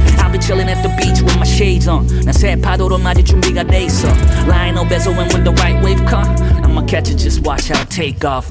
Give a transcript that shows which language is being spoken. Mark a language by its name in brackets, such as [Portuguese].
[English] I'll be chilling at the beach with my shades on. [Korean] 난 새 파도로 맞을 준비가 돼 있어. [English] Line up as a wind when the right wave come. I'ma catch it, just watch how I take off.